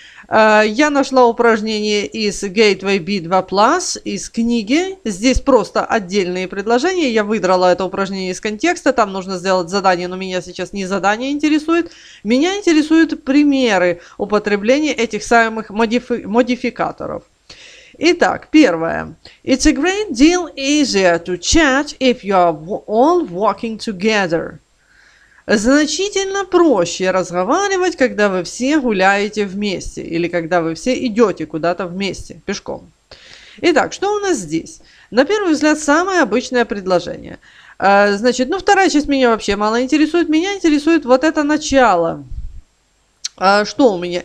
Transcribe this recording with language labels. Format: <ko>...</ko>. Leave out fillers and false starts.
<ru>Я нашла упражнение из Gateway B2 Plus, из книги. Здесь просто отдельные предложения. Я выдрала это упражнение из контекста. Там нужно сделать задание, но меня сейчас не задание интересует. Меня интересуют примеры употребления этих самых модификаторов. Итак, первое.</ru> <en>It's a great deal easier to chat if you are all walking together.</en> <ru>Значительно проще разговаривать, когда вы все гуляете вместе или когда вы все идете куда-то вместе, пешком. Итак, что у нас здесь? На первый взгляд, самое обычное предложение. Значит, ну вторая часть меня вообще мало интересует. Меня интересует вот это начало. Что у меня?</ru>